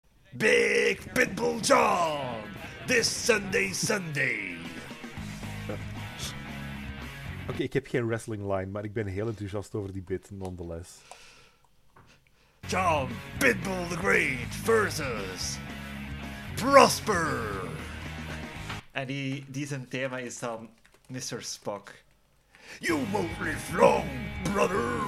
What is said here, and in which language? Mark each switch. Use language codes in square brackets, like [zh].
[en] Big Pitbull John, this Sunday, Sunday. [nl] Oké, ik heb geen wrestling line, maar ik ben heel enthousiast over die bit, nonetheless. [en] John Pitbull the Great versus Prosper. [nl] En die zijn thema is dan Mr. Spock. [en] You won't live long, brother.